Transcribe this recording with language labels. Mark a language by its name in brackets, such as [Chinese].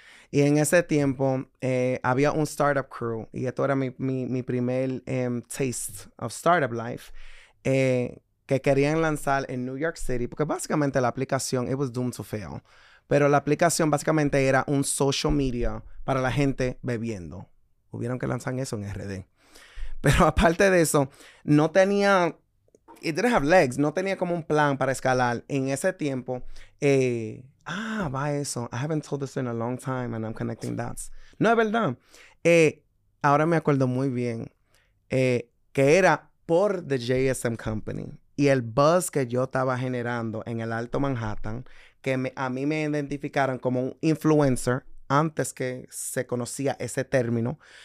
[Spanish] Y en ese tiempo había un [English] startup crew, [Spanish] y esto era mi primer [English] taste of startup life, [Spanish] que querían lanzar en New York City, porque básicamente la aplicación, [English] it was doomed to fail, [Spanish] pero la aplicación básicamente era un social media para la gente bebiendo. Hubieron que lanzar eso en RD. Pero aparte de eso, no tenía, [English] it didn't have legs, [Spanish] no tenía como un plan para escalar en ese tiempo. Va eso. [English] I haven't told this in a long time and I'm connecting dots. [Spanish] No, es verdad. Ahora me acuerdo muy bien que era por The JSM Company y el buzz que yo estaba generando en el Alto Manhattan, que a mí me identificaron como un influencer antes que se conocía ese término.